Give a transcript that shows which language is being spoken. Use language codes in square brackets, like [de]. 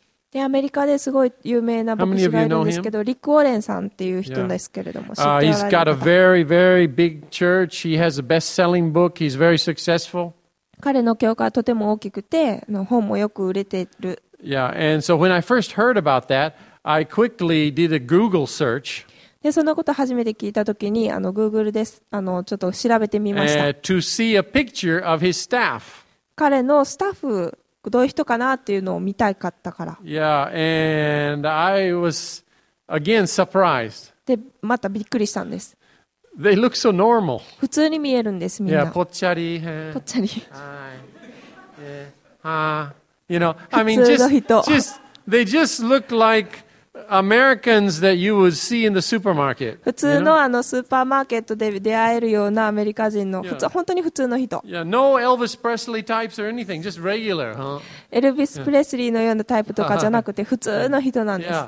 [ja] でアメリカですごい有名な牧師がいるんですけど、リック・ウォーレンさんっていう人ですけれども、知っておられる方。 [en] He's got a very, very big church. He has a best-selling book. He's very successful. [ja] 彼の教会はとても大きくて、本もよく売れてる。 [en] Yeah, and so when I first heard about that, I quickly did a Google search. [ja] で、そのこと初めて聞いたときに、Google でちょっと調べてみました。 [en] To see a picture of his staff. [ja] 彼のスタッフ。どういう人かなっていうのを見たかったから。 [en] Yeah, and I was again surprised. [ja] で、またびっくりしたんです。 [en] They look so normal. [ja] 普通に見えるんです、みんな。 Yeah, ぽっちゃり。ぽっちゃり。はい。 [en] You know, I mean, just they just look like Americans that you would see in the supermarket. [ja] 普通のスーパーマーケットで出会えるようなアメリカ人の普通、本当に普通の人。 [en] Yeah, no Elvis Presley types or anything, just regular, huh? [ja] エルヴィス・プレスリーのようなタイプとかじゃなくて普通の人なんです。